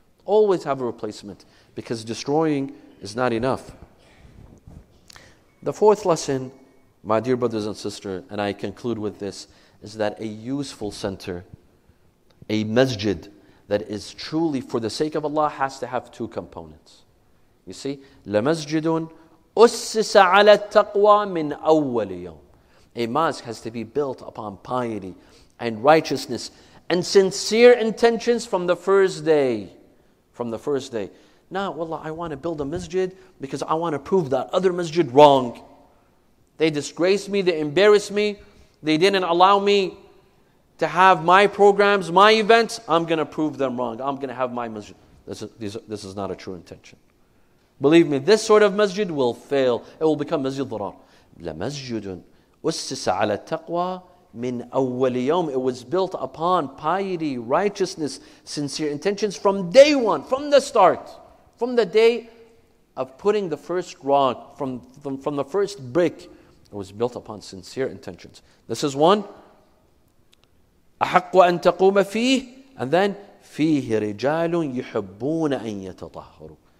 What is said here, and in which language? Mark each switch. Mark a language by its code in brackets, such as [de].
[en] Always have a replacement, because destroying is not enough. The fourth lesson, my dear brothers and sisters, and I conclude with this, is that a useful center, a masjid that is truly for the sake of Allah, has to have two components. You see, [ar] لَمَسْجِدٌ أُسِّسَ عَلَى التَّقْوَى مِنْ أَوَّلِ يَوْمٍ. [en] A mosque has to be built upon piety and righteousness and sincere intentions from the first day. From the first day. Now, wallah, I want to build a masjid because I want to prove that other masjid wrong. They disgraced me, they embarrassed me, they didn't allow me to have my programs, my events. I'm going to prove them wrong. I'm going to have my masjid. This is not a true intention. Believe me, this sort of masjid will fail. It will become masjid dharar. [ar] لَمَسْجِدٌ أُسِّسَ عَلَى التَّقْوَى مِنْ أَوَّلِ يَوْمٍ. [en] It was built upon piety, righteousness, sincere intentions from day one, from the start, from the day of putting the first rock, from the first brick. It was built upon sincere intentions. This is one. [ar] أَحَقُّ أَن تَقُومَ فِيهِ. [en] And then, [ar] فِيهِ رِجَالٌ يُحِبُّونَ أَن يَتَطَهَّرُوا.